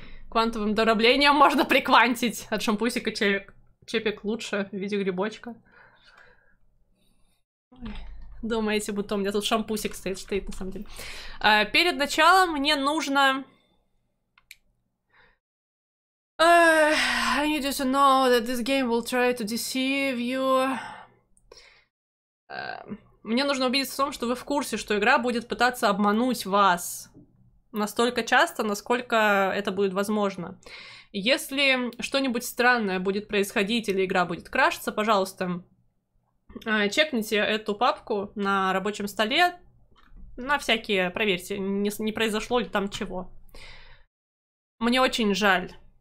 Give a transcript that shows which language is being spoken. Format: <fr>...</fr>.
<ru>Квантовым дроблением можно приквантить от шампусика чепик. Чепик лучше в виде грибочка. Думаете, будто у меня тут шампусик стоит на самом деле. Перед началом мне нужно...</ru> <en>I need you to know that this game will try to deceive you.</en> <ru>Мне нужно убедиться в том, что вы в курсе, что игра будет пытаться обмануть вас настолько часто, насколько это будет возможно. Если что-нибудь странное будет происходить или игра будет крашиться, пожалуйста... чекните эту папку на рабочем столе, на всякие, проверьте, не произошло ли там чего. Мне очень жаль.</ru>